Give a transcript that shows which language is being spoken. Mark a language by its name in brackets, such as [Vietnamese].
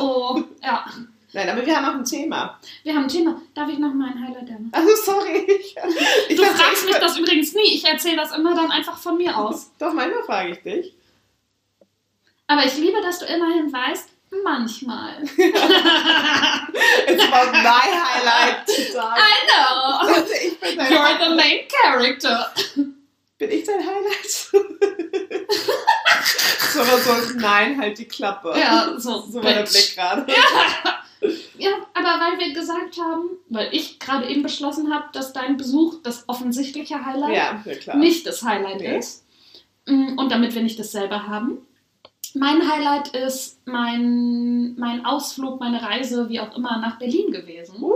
[German] Oh, ja. Nein, aber wir haben auch ein Thema. Wir haben ein Thema. Darf ich noch mal ein Highlight nennen? Also, sorry. Du fragst mich das übrigens nie. Ich erzähle das immer dann einfach von mir aus. Doch, manchmal frage ich dich. Aber ich liebe, dass du immerhin weißt, manchmal. [English] It's about my highlight today. I know. You're the main character. [German] Bin ich dein Highlight? So oder so, nein, halt die Klappe. Ja, so. So war der Blick gerade. Ja. Ja, aber weil wir gesagt haben, weil ich gerade eben beschlossen habe, dass dein Besuch das offensichtliche Highlight nicht das Highlight ist. Und damit wir nicht dasselbe haben. Mein Highlight ist mein Ausflug, meine Reise, wie auch immer, nach Berlin gewesen.